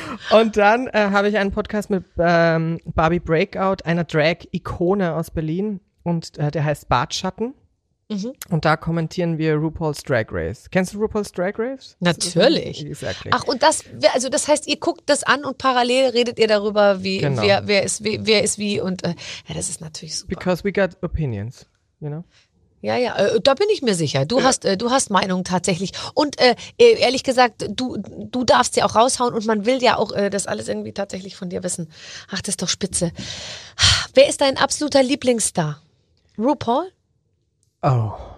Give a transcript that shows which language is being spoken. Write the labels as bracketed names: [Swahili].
[German] Und dann habe ich einen Podcast mit Barbie Breakout, einer Drag-Ikone aus Berlin und der heißt Bartschatten. Und da kommentieren wir RuPaul's Drag Race. Kennst du RuPaul's Drag Race? Natürlich. [English] Exactly. [German] Ach, und das heißt, ihr guckt das an und parallel redet ihr darüber, wer ist wie und das ist natürlich super. [English] Because we got opinions, you know? [German] Ja, ja, da bin ich mir sicher. Du hast Meinung tatsächlich. Und ehrlich gesagt, du darfst ja auch raushauen und man will ja auch das alles irgendwie tatsächlich von dir wissen. Ach, das ist doch spitze. Wer ist dein absoluter Lieblingsstar? RuPaul? Oh.